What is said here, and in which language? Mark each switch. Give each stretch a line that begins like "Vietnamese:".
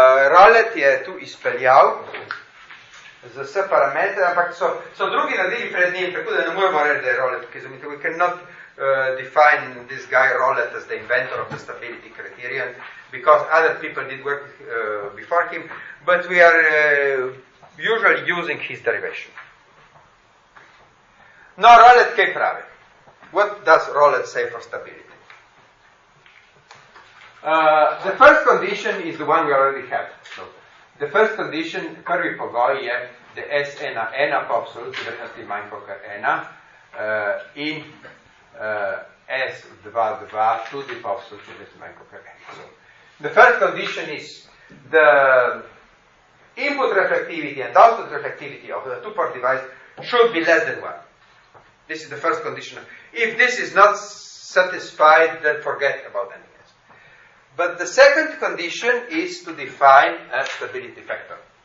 Slovenian: Rolet je tu izpeljal z vse parametre, ampak so drugi naredili pred njim, tako da ne moremo reči, da je Rolet, ker
English: we cannot define this guy Rolet as the inventor of the stability criterion, because other people did work before him, but we are usually using his derivation.
Slovenian: No, Rolet kaj pravi?
English: What does Rolet say for stability? The first condition is the one we already have. So, the first condition,
Slovenian: prvi pogoj je, da S ena, ena po absolutni vrednosti manj kot ena, in S dva, dva, tudi po absolutni vrednosti manj kot ena.
English: So, the first condition is the input reflectivity and output reflectivity of the two-port device should be less than one. This is the first condition. If this is not satisfied, then forget about anything. But the second condition is to define a stability factor.